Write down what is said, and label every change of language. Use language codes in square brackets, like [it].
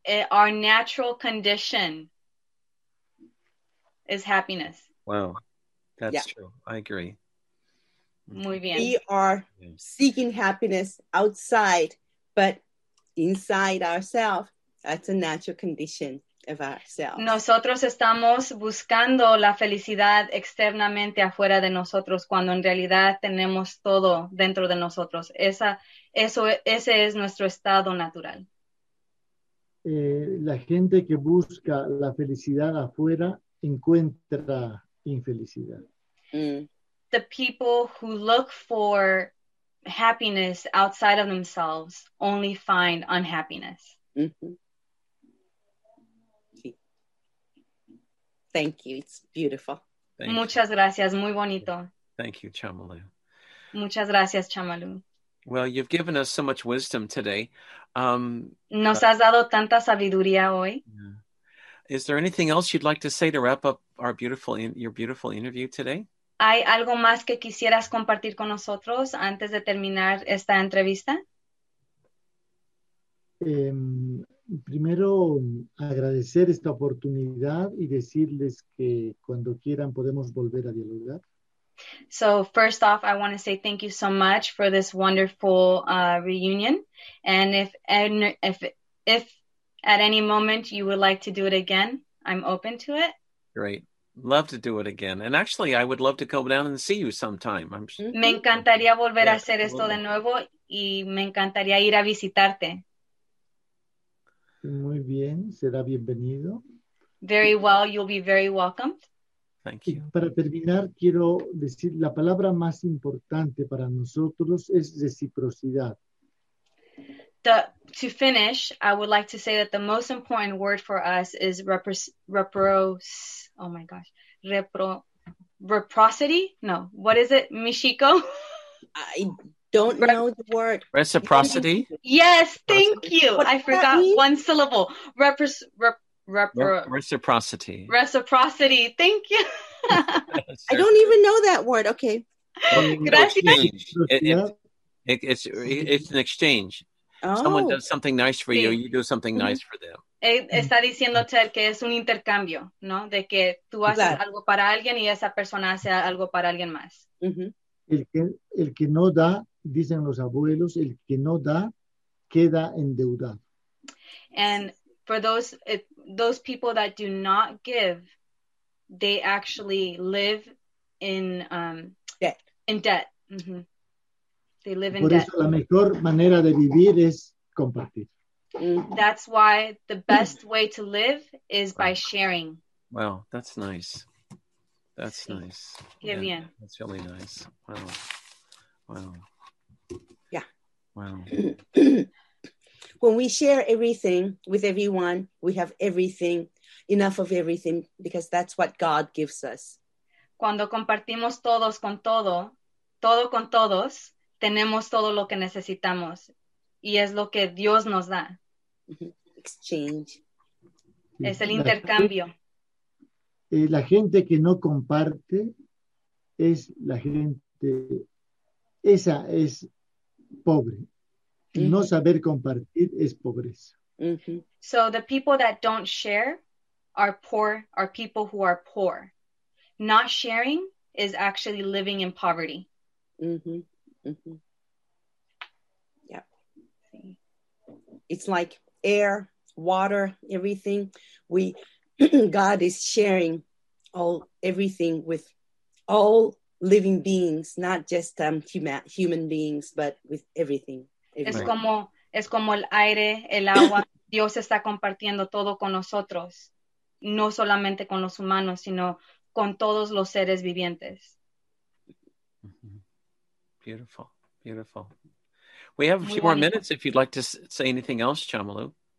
[en] Our natural condition is happiness. Wow, that's true. I agree. [es] Muy bien. [en] We are seeking happiness outside. But inside ourselves, that's a natural condition of ourselves. [es] Nosotros estamos buscando la felicidad externamente afuera de nosotros, cuando en realidad tenemos todo dentro de nosotros. Ese es nuestro estado natural. La gente que busca la felicidad afuera encuentra infelicidad. [en] The people who look for happiness outside of themselves only find unhappiness. Mm-hmm. Thank you. It's beautiful. Thank [es] Muchas you. Gracias. Muy bonito. [en] Thank you, Chamalu. [es] Muchas gracias, Chamalu. [en] Well, you've given us so much wisdom today. [es] Nos has dado tanta sabiduría hoy. [en] Is there anything else you'd like to say to wrap up your beautiful interview today? [es] ¿Hay algo más que quisieras compartir con nosotros antes de terminar esta entrevista? Primero, agradecer esta oportunidad y decirles que cuando quieran podemos volver a dialogar. [en] So, first off, I want to say thank you so much for this wonderful reunion. And if at any moment you would like to do it again, I'm open to it. Great. Love to do it again. And actually, I would love to go down and see you sometime. I'm sure. [es] Me encantaría volver a hacer esto de nuevo y me encantaría ir a visitarte. Muy bien, será bienvenido. [en] Very well, you'll be very welcome. Thank you. [es] Y para terminar, quiero decir la palabra más importante para nosotros es reciprocidad. [en] To finish, I would like to say that the most important word for us is reciprocity? No. What is it, Michiko? I don't know the word. Reciprocity? Yes, thank you. What I forgot one syllable. Reciprocity. Reciprocity. Thank you. I don't even know that word. Okay. It's an exchange. Someone does something nice for you, you do something nice for them. [es] Está diciendo Ted que es un intercambio, ¿no? De que tú haces claro. algo para alguien y esa persona hace algo para alguien más. Uh-huh. El que no da, dicen los abuelos, el que no da, queda endeudado. [en] And for those people that do not give, they actually live in debt. In debt. Mm-hmm. They live in [es] Por [en] debt. [es] Por eso la mejor manera de vivir es compartir. [en] That's why the best way to live is by sharing. Wow, that's nice. That's nice. Yeah, bien. That's really nice. Wow. Wow. Yeah. Wow. When we share everything with everyone, we have everything, enough of everything, because that's what God gives us. [es] Cuando compartimos todos con todo, todo con todos, tenemos todo lo que necesitamos. Y es lo que Dios nos da. [en] Exchange. [es] Es el intercambio. La gente que no comparte es la gente, esa es pobre. Mm-hmm. No saber compartir es pobreza. Mm-hmm. [en] So the people that don't share are poor, are people who are poor. Not sharing is actually living in poverty. Yeah. It's like air, water, everything. God is sharing all everything with all living beings, not just human beings, but with everything. [es] Es como el aire, el agua. Dios está compartiendo todo con nosotros, no solamente con los humanos, sino con todos los seres vivientes. [en] Mm-hmm. Beautiful, beautiful. We have a few more minutes if you'd like to say anything else, Chamalu.